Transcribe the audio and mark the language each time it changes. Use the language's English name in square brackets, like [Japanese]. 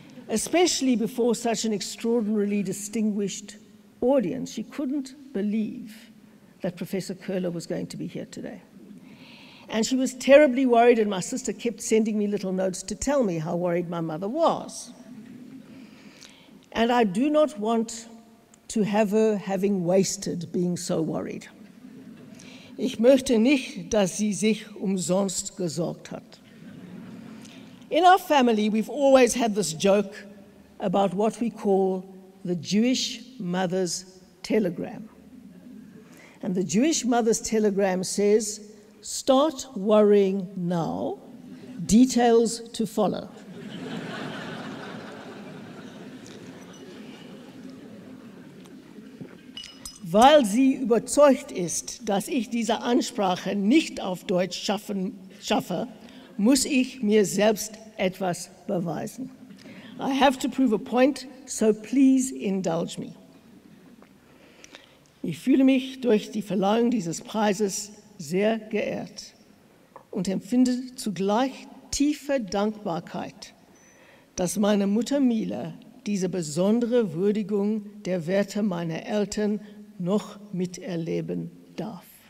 [English] Especially before such an extraordinarily distinguished audience, she couldn't believe that Professor Köhler was going to be here today. And she was terribly worried, and my sister kept sending me little notes to tell me how worried my mother was. And I do not want to have her having wasted being so worried. [German] Ich möchte nicht, dass sie sich umsonst gesorgt hat. [English] In our family, we've always had this joke about what we call the Jewish mother's telegram. And the Jewish mother's telegram says, start worrying now, details to follow. [German] Weil sie überzeugt ist, dass ich diese Ansprache nicht auf Deutsch schaffe, muss ich mir selbst etwas beweisen. [English] I have to prove a point, so please indulge me. [German] Ich fühle mich durch die Verleihung dieses Preises sehr geehrt und empfinde zugleich tiefe Dankbarkeit, dass meine Mutter Mila diese besondere Würdigung der Werte meiner Eltern noch miterleben darf.